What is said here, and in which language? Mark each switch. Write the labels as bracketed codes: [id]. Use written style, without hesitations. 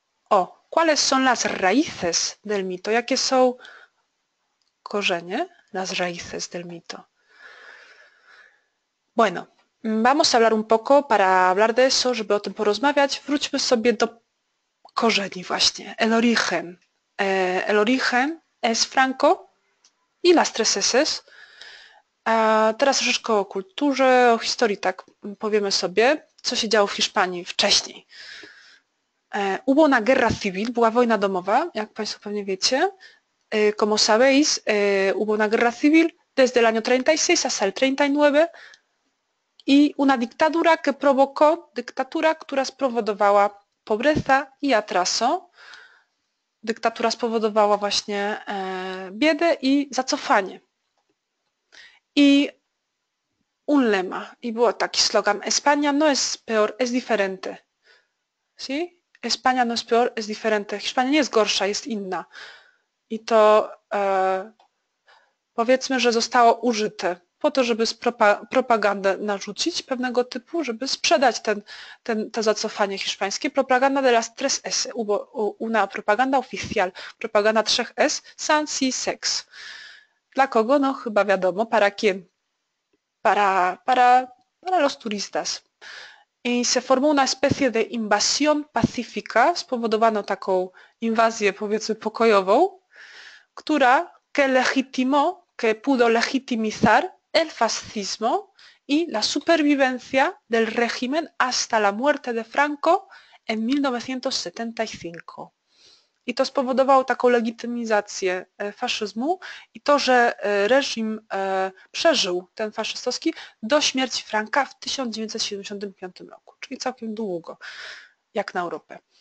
[es] O, ¿cuáles son las raíces del mito? [pl] Jakie są korzenie? [es] Las raíces del mito. Bueno, vamos a hablar un poco para hablar de eso, [pl] żeby o tym porozmawiać. Wróćmy sobie do korzeni właśnie. [es] El origen. El origen es Franco y las tres S's. [pl] Teraz troszeczkę o kulturze, o historii, tak powiemy sobie, co się działo w Hiszpanii wcześniej. [es] Hubo una guerra civil, [pl] była wojna domowa, jak Państwo pewnie wiecie. [es] Como sabéis, hubo una guerra civil desde el año 36 hasta el 39 y una dictadura que provocó, [pl] dyktatura, która spowodowała [es] pobreza i atraso. [pl] Dyktatura spowodowała właśnie biedę i zacofanie. [es] I un lema, [pl] i było taki slogan, [es] España no es peor, es diferente. ¿Sí? España no es peor, es diferente. [pl] Hiszpania nie jest gorsza, jest inna. I to powiedzmy, że zostało użyte po to, żeby propagandę narzucić pewnego typu, żeby sprzedać to zacofanie hiszpańskie. [es] Propaganda de las tres S, una propaganda oficial, [pl] propaganda trzech S, [es] sans y sex. [pl] Dla kogo? No chyba wiadomo, [es] para quién? Para los turistas. I se formó una especie de invasión pacífica, [pl] spowodowano taką inwazję, powiedzmy, pokojową, która [es] que legitimó, que pudo legitimizar el fascismo y la supervivencia del régimen hasta la muerte de Franco en 1975. [pl] I to spowodowało taką legitymizację faszyzmu i to, że reżim przeżył ten faszystowski do śmierci Franka w 1975 roku, czyli całkiem długo, jak na Europę.